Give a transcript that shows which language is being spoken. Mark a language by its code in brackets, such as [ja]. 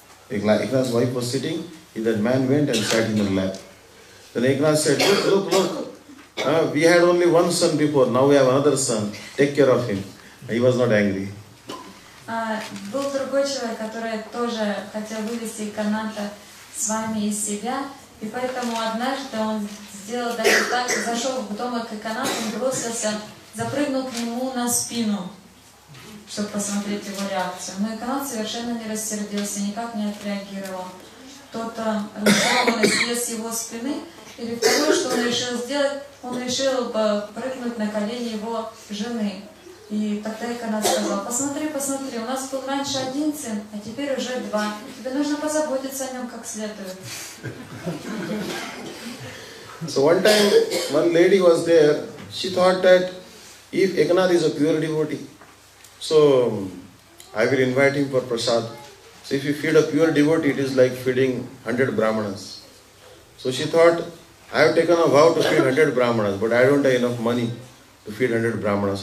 [en] Eknath's wife was sitting. And that man went and sat in her lap. Then Eknath said, look. We had only one son before, now we have another son. Take care of him. He was not angry. [ru] Был другой человек, который тоже хотел вывести Эканата с вами из себя. И поэтому однажды он сделал даже так, зашел в дом к Эканату, бросился, запрыгнул к нему на спину, чтобы посмотреть его реакцию. Но Эканат совершенно не рассердился, никак не отреагировал. Тот разговаривал с его спины, или второе, что он решил сделать, он решил прыгнуть на колени его жены. И тогда Эканат сказал, посмотри, у нас был раньше один сын, а теперь уже два. Тебе нужно позаботиться о нем как следует. [en] So one time, one lady was there, she thought that if Eknath is a pure devotee, So, I will invite him for prasad. So, if you feed a pure devotee, it is like feeding 100 brahmanas. So, she thought, I have taken a vow to feed 100 brahmanas, but I don't have enough money to feed 100 brahmanas.